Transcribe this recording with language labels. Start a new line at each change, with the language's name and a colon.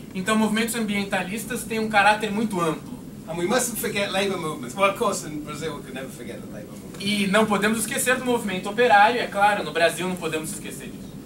Portuguese: Então, movimentos ambientalistas têm um caráter muito amplo.
English: And we mustn't forget labor movements. Well, of course, in Brazil we could never forget the labor movement.
Portuguese: E não podemos esquecer do movimento operário, é claro, no Brasil não podemos esquecer disso.